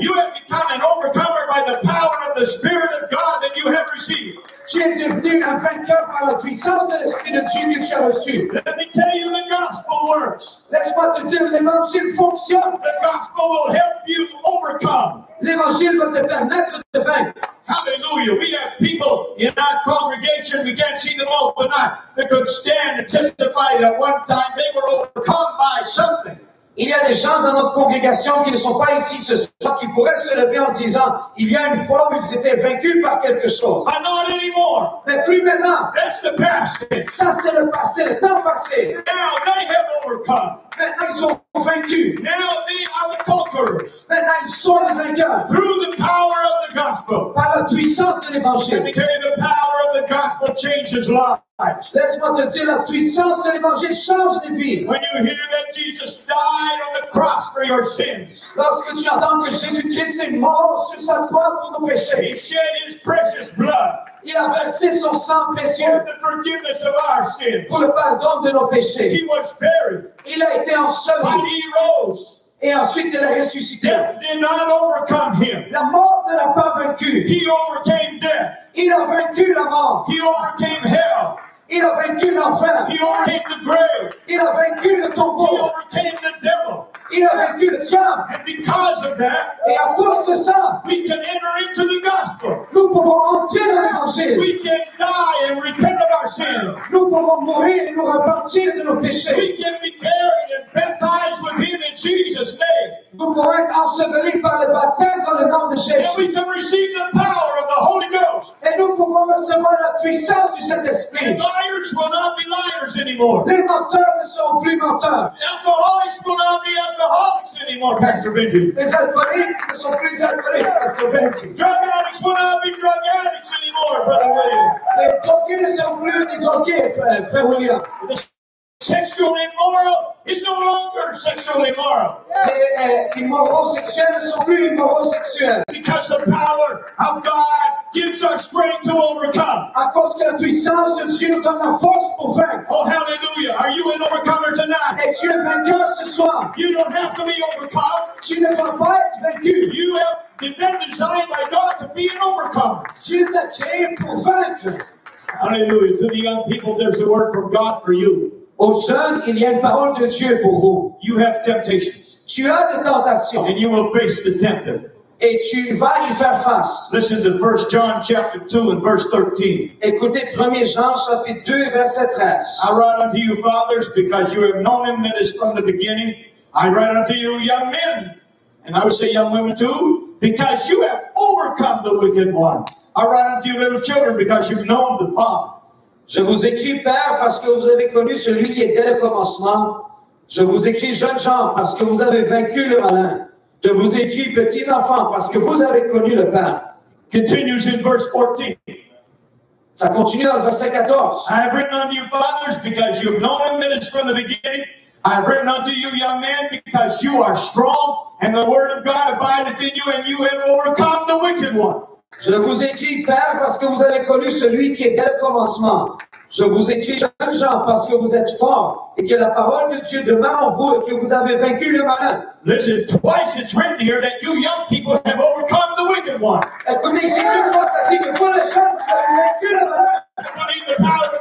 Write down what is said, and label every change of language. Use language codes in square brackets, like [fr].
[en] You have become an overcomer by the power of the Spirit of God that you have received. [fr] Tu es devenu un vainqueur par la puissance de l'Esprit de Dieu que tu as reçu. [en] Let me tell you, the gospel works. [fr] Laisse-moi te dire, l'Évangile fonctionne. [en] The gospel will help you overcome. [fr] L'Évangile va te permettre de vaincre. [en] Hallelujah. We have people in our congregation, we can't see them all tonight, that could stand and testify that one time they were overcome by something. [fr] Il y a des gens dans notre congrégation qui ne sont pas ici ce soir qui pourraient se lever en disant il y a une fois où ils étaient vaincus par quelque chose. [en] But not anymore. [fr] Mais plus maintenant. [en] That's the past. [fr] Ça c'est le passé, le temps passé. [en] Now they have overcome. [fr] Maintenant ils sont vaincus. [en] Now they are the conquerors. [fr] Maintenant ils sont les vainqueurs. [en] Through the power of the gospel. [fr] Par la puissance de l'Évangile. [en] Let me tell you, the power of the gospel changes lives. [fr] Laisse-moi te dire, la puissance de l'Évangile change les vies. [en] When you hear that Jesus died on the cross for your sins, [fr] lorsque tu entends que Jésus-Christ est mort sur sa croix pour nos péchés, [en] he shed his precious blood, [fr] il a versé son sang précieux [en] for the forgiveness of our sins, [fr] pour le pardon de nos péchés, [en] he was buried, [fr] il a été enseveli, [en] and he rose. [fr] Et ensuite, il a ressuscité. [en] Death did not overcome him. [fr] La mort ne l'a pas vaincu. [en] He overcame death. [fr] Il a vaincu la mort. [en] He overcame hell. [fr] Il a vaincu l'enfer. [en] He overcame the grave. [fr] Il a vaincu le tombeau. [en] He overcame the devil. [fr] Il a vaincu le diable. [en] And because of that, [fr] et à cause de ça, [en] we can enter into the gospel. [fr] Nous pouvons entrer dans l'Évangile. [en] We can die and repent of our sins. [fr] Nous pouvons mourir et nous repentir de nos péchés. [en] We can be buried and baptized with him in Jesus' name. [fr] Nous pouvons être ensevelis par le baptême dans le nom de Jésus. [en] And we can receive the power of the Holy Ghost. [fr] Et nous pouvons recevoir la puissance du Saint-Esprit. [en] And liars will not be liars anymore. [fr] Les menteurs ne seront plus menteurs. [en] Alcoholics will not be alcoholics anymore, Pastor Benji. [fr] Les alcooliques ne sont plus alcooliques, Pastor Benji. [en] Drug addicts will not be drug addicts anymore, Brother William. [fr] Les drogués ne sont plus des drogués, Frère William. [en] Sexual immoral is no longer sexual immoral. [fr] Immoral sexuels ne sont plus immoral sexuels. [en] Because the power of God gives us strength to overcome. [fr] À cause que la puissance de Dieu nous donne la force pour vaincre. [en] Oh, hallelujah. Are you an overcomer tonight? [fr] Es-tu un vainqueur ce soir? [en] You don't have to be overcome. [fr] Tu ne dois pas être vaincu. [en] You have been designed by God to be an overcomer. [fr] Tu es créé pour vaincre. [en] Hallelujah. To the young people, there's a word from God for you. [fr] Aux jeunes, il y a une parole de Dieu pour vous. [en] You have temptations. [fr] Tu as des tentations. [en] And you will face the tempter. [fr] Et tu vas y faire face. [en] Listen to 1 John chapter 2 and verse 13. [fr] Écoutez 1 Jean chapitre 2 verset 13. [en] I write unto you, fathers, because you have known him that is from the beginning. I write unto you, young men, and I would say young women too, because you have overcome the wicked one. I write unto you, little children, because you've known the Father. [fr] Je vous écris, Père, parce que vous avez connu celui qui est dès le commencement. Je vous écris, jeunes gens, parce que vous avez vaincu le malin. Je vous écris, petits enfants, parce que vous avez connu le Père. [en] Continues in verse 14. [fr] Ça continue dans le verset 14. [en] I have written unto you, fathers, because you have known him that is from the beginning. I have written unto you, young men, because you are strong, and the word of God abideth in you, and you have overcome the wicked one. [fr] Je vous écris, Père, parce que vous avez connu celui qui est dès le commencement. Je vous écris, jeunes gens, parce que vous êtes forts et que la parole de Dieu demeure en vous et que vous avez vaincu le malin. [en] Listen, twice it's written here that you young people have overcome the wicked one. [fr] Écoutez, ici deux fois, ça dit que vous, les jeunes, vous avez vaincu le malin.